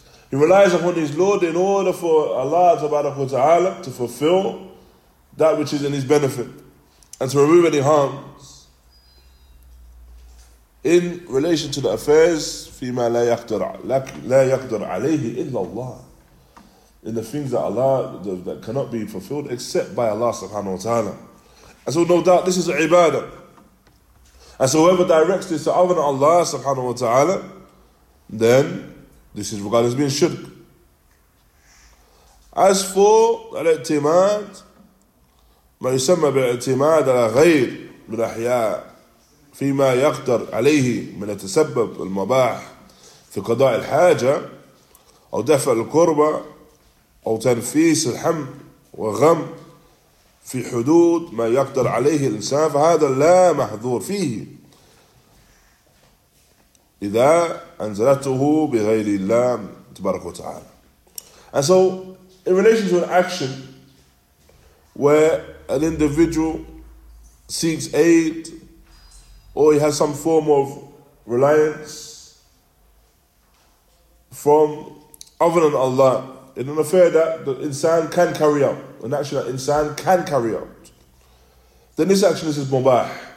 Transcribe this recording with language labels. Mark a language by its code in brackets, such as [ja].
[en] He relies upon his Lord in order for Allah subhanahu wa ta'ala to fulfill that which is in his benefit and to remove any harm in relation to the affairs, [ar] فِيمَا لَا يَقْدَرْ عَلَيْهِ إِلَّا اللَّهِ, [en] in the things that Allah, that cannot be fulfilled except by Allah subhanahu wa ta'ala. And so no doubt this is ibadah. And so whoever directs this to other than Allah subhanahu wa ta'ala, then this is regarded as being shirk. As for al-i'timad, [ar] مَا يُسَمَّ بِالْاِعْتِمَادَ عَلَى غَيْرِ مِنْ أَحْيَاءَ فيما يقدر عليه من التسبب المباح في قضاء الحاجة أو دفع الكربة أو تنفيس الحم والغم في حدود ما يقدر عليه الإنسان, فهذا لا محذور فيه إذا أنزلته بغير الله تبارك وتعالى. [en] And so in relation to an action where an individual seeks aid or he has some form of reliance from other than Allah in an affair that the insan can carry out, an action that insan can carry out, then this action, this is mubah.